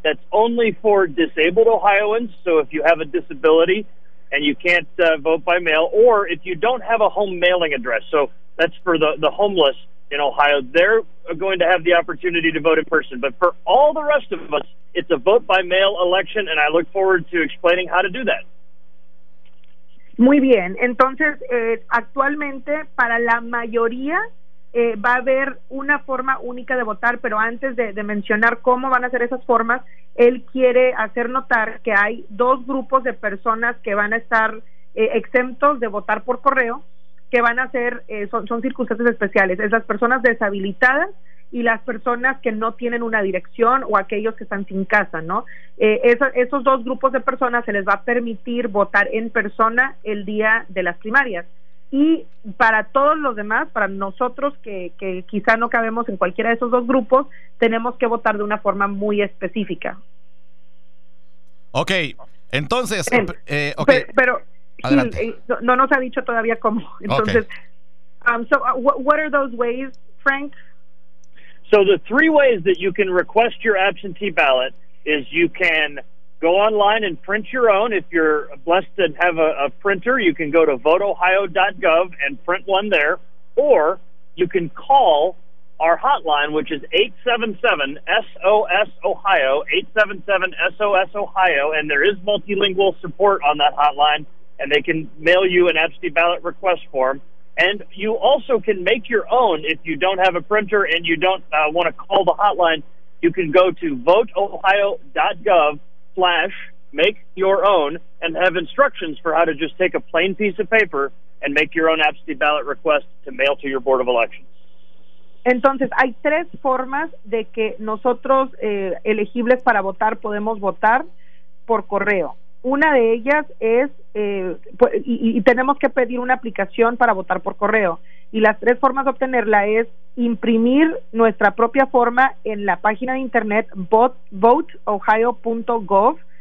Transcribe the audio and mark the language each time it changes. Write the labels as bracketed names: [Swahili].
[English] That's only for disabled Ohioans. So, if you have a disability and you can't vote by mail, or if you don't have a home mailing address, so that's for the homeless in Ohio, they're going to have the opportunity to vote in person. But for all the rest of us, it's a vote by mail election, and I look forward to explaining how to do that. [Spanish] Muy bien. Entonces, actualmente, para la mayoría, va a haber una forma única de votar, pero antes de mencionar cómo van a ser esas formas, él quiere hacer notar que hay dos grupos de personas que van a estar exentos de votar por correo, que van a ser, son circunstancias especiales, es las personas deshabilitadas y las personas que no tienen una dirección o aquellos que están sin casa, ¿no? Esos dos grupos de personas se les va a permitir votar en persona el día de las primarias. Y para todos los demás, para nosotros que quizá no cabemos en cualquiera de esos dos grupos, tenemos que votar de una forma muy específica. Ok, entonces... Okay. Pero Gil, no nos ha dicho todavía cómo. [English] Entonces, okay. What are those ways, Frank? So the three ways that you can request your absentee ballot is you can go online and print your own. If you're blessed and have a printer, you can go to voteohio.gov and print one there. Or you can call our hotline, which is 877-SOS-OHIO, 877-SOS-OHIO, and there is multilingual support on that hotline, and they can mail you an absentee ballot request form. And you also can make your own if you don't have a printer and you don't want to call the hotline. You can go to voteohio.gov/make-your-own and have instructions for how to just take a plain piece of paper and make your own absentee ballot request to mail to your Board of Elections. [Spanish] Entonces, hay tres formas de que nosotros elegibles para votar podemos votar por correo. Una de ellas es, y tenemos que pedir una aplicación para votar por correo. Y las tres formas de obtenerla es imprimir nuestra propia forma en la página de internet voteohio.gov.